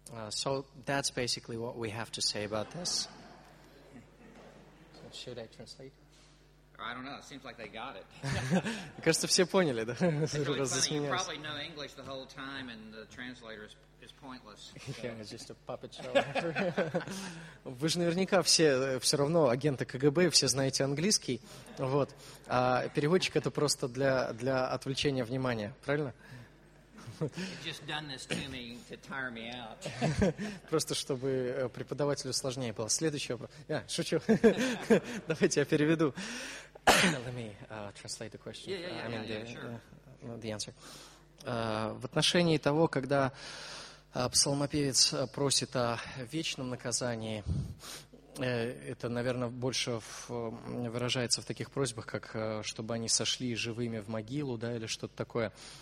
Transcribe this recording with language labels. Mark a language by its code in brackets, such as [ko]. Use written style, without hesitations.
[en] So that's basically what we have to say about this. So should I translate? I don't know. It seems like they got it. [ru] Кажется, все поняли, да? [en] Really funny. You probably know English the whole time, and the translator is pointless. Yeah, it's just a puppet show. [ru] Вы же наверняка все равно агенты КГБ, все знаете английский, вот. А переводчик это просто для отвлечения внимания, правильно? [en] Just done this to me to tire me out. [ru] Просто чтобы преподавателю сложнее было. Следующий вопрос. Я шучу. Давайте я переведу. [en] Let me translate the question. Yeah, sure. [ru] В отношении того, когда псалмопевец просит о вечном наказании, это, наверное, больше выражается в таких просьбах, как чтобы они сошли живыми в могилу, да, или что-то такое.